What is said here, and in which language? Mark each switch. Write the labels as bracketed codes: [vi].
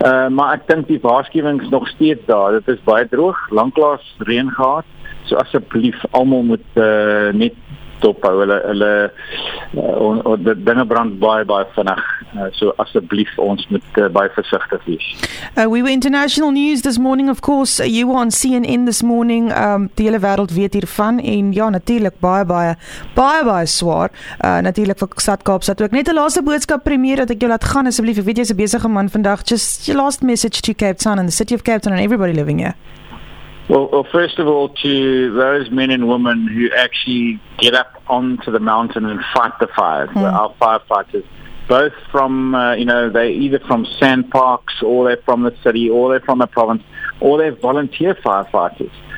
[af] Maar ek dink die waarskuwing is nog steeds daar. Dit is baie droog, lanklaas reën gehad. So asseblief, almal moet net stop hou. Hulle die dinge brand baie vinnig. So asseblief ons moet baie versigtig wees. [en] We were international news this morning, of course. You were on CNN this morning. [af] Die hele wêreld weet hiervan en ja, natuurlik baie swaar. Natuurlik vir Stad Kaapstad ook. Net 'n laaste boodskap premier dat ek jou laat gaan asseblief. Ek weet jy's 'n besige man vandag. [en] Just your last message to Cape Town and the city of Cape Town and everybody living here. Well, first of all, to those men and women who actually get up onto the mountain and fight the fires, our firefighters, both from, they're either from sand parks, or they're from the city, or they're from the province, or they're volunteer firefighters.